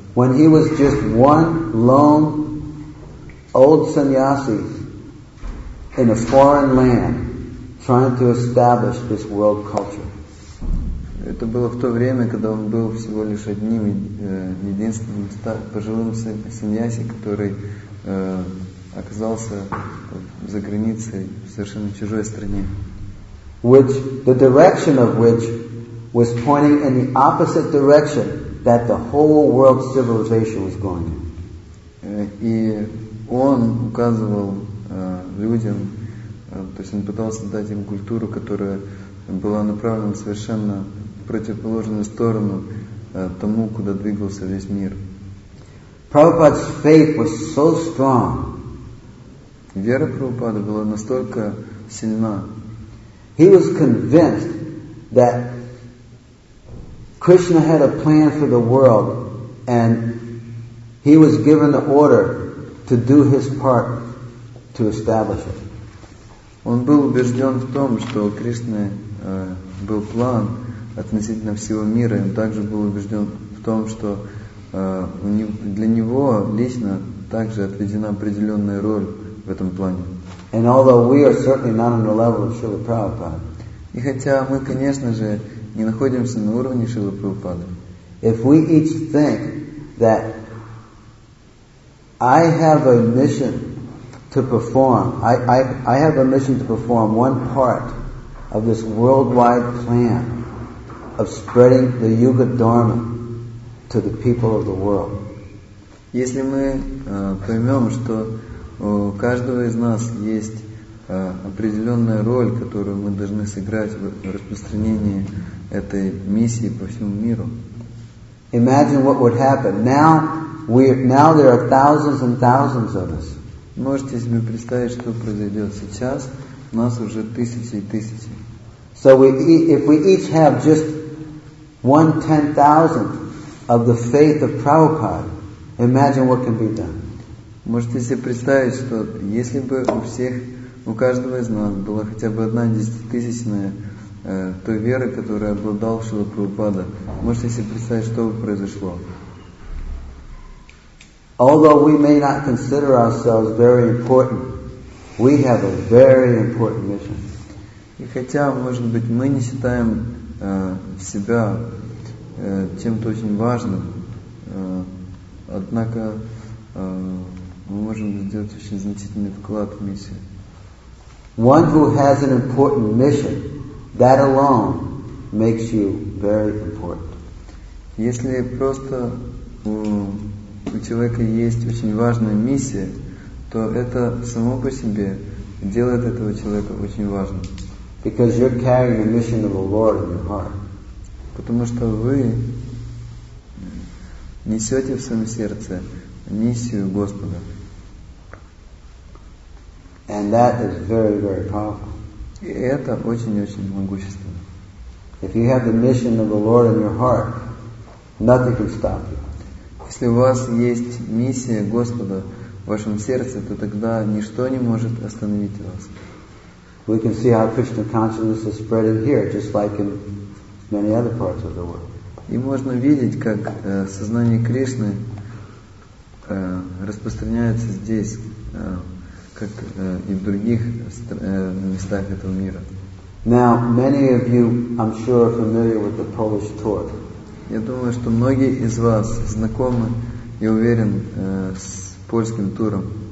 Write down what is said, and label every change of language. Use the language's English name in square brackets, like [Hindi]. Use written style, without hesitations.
[English] When he was just one lone old sannyasi in a foreign land trying to establish this world culture. [Russian] Это было в то время, когда он был всего лишь одним, единственным пожилым саньяси, который оказался за границей в совершенно чужой стране. [English] Which, the direction of which was pointing in the opposite direction that the whole world civilization was going in. [Russian] И он указывал людям, то есть он пытался дать им культуру, которая была направлена совершенно противоположную сторону тому, куда двигался весь мир. [English] Prabhupada's faith was so strong. [Russian] Вера Прабхупады была настолько сильна. [English] He was convinced that Krishna had a plan for the world, and he was given the order to do his part to establish it. [Russian] Он был убежден в том, что у Кришны был план относительно всего мира. Он также был убежден в том, что для него лично также отведена определенная роль в этом плане. [English] And although we are certainly not on the level of Srila Prabhupada, [Russian] и хотя мы, конечно же, не находимся на уровне Шрилы Прабхупады, [English] if we each think that I have a mission to perform, I have a mission to perform one part of this worldwide plan of spreading the Yuga Dharma to the people of the world. [Russian] Если мы поймем, что у каждого из нас есть определенная роль, которую мы должны сыграть в распространении этой миссии по всему миру. [English] Imagine what would happen. Now there are thousands and thousands of us. [Russian] Можете себе представить, что произойдет сейчас? У нас уже тысячи и тысячи. [English] So we, if we each have just 1/10,000 of the faith of Prabhupada, imagine what can be done. [Russian] Можете себе представить, что если бы у всех, у каждого из нас была хотя бы 1/10,000 той веры, которая обладал Шрила Прабхупада, можете себе представить, что бы произошло? [English] Although we may not consider ourselves very important, we have a very important mission. [Russian] И хотя, может быть, мы не считаем себя чем-то очень важным, однако мы можем сделать очень значительный вклад в миссию. [English] One who has an important mission, that alone makes you very important. [Russian] Если просто у человека есть очень важная миссия, то это само по себе делает этого человека очень важным. [English] Because you're carrying the mission of the Lord in your heart. [Russian] Потому что вы несете в своем сердце миссию Господа. [English] And that is very, very powerful. [Russian] И это очень-очень могущественно. [English] If you have the mission of the Lord in your heart, nothing can stop you. [Russian] Если у вас есть миссия Господа в вашем сердце, то тогда ничто не может остановить вас. [English] We can see how Krishna consciousness is spreading here, just like in many other parts of the world. [Russian] И можно видеть, как сознание Кришны распространяется здесь, как и в других местах этого мира. [English] Now, many of you, I'm sure, are familiar with the Polish torque. [Russian] Я думаю, что многие из вас знакомы, я уверен, с польским туром.